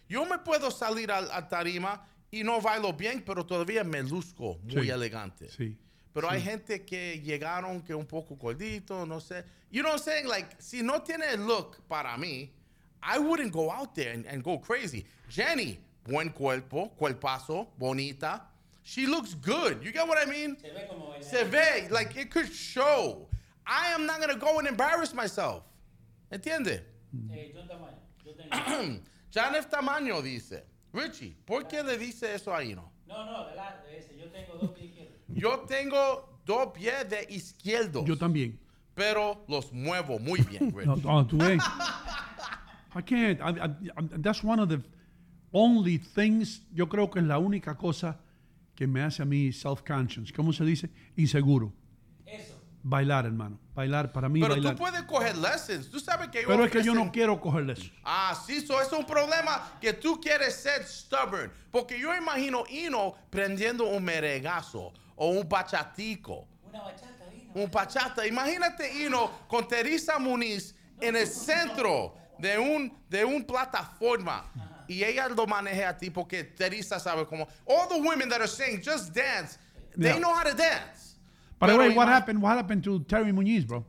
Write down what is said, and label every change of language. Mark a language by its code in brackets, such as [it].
[es] Yo me puedo salir a tarima y no bailo bien, pero todavía me luzco muy elegante. Sí. Pero sí. Hay gente que llegaron que un poco gordito, no sé. [en] You know what I'm saying? Like, [es] si no tiene look para mí, [en] I wouldn't go out there and go crazy. Jenny, [es] buen cuerpo, cuerpazo, bonita. [en] She looks good. You get what I mean? [es] Se ve como ella. Se ve. [en] Like, it could show. I am not going to go and embarrass myself. [es] ¿Entiende? Yo tengo. Janef Tamaño dice, Richie, ¿por qué le dice eso a Ino? No, adelante, ese. Yo tengo dos pies izquierdos. Yo tengo dos pies de izquierdos. Yo también. Pero los muevo muy bien, Richie. No, tú ves. [en] I can't. That's one of the only things, [es] yo creo que es la única cosa que me hace a mí self-conscious. ¿Cómo se dice? Inseguro. Eso. Bailar, hermano. Bailar, para mí, pero bailar. Tú puedes coger lessons. Tú sabes que yo pero es que yo no quiero coger lessons. Ah, sí, eso es un problema que tú quieres ser stubborn. Porque yo imagino Ino prendiendo un merengazo o un bachatico. Una bachata, Ino. Un bachata. Imagínate Ino con Teresa Muniz en el centro de un plataforma. Y ella lo maneja a ti porque Teresa sabe cómo. [en] All the women that are saying, just dance. They know how to dance. By the way, what happened to Terry Muñiz, bro?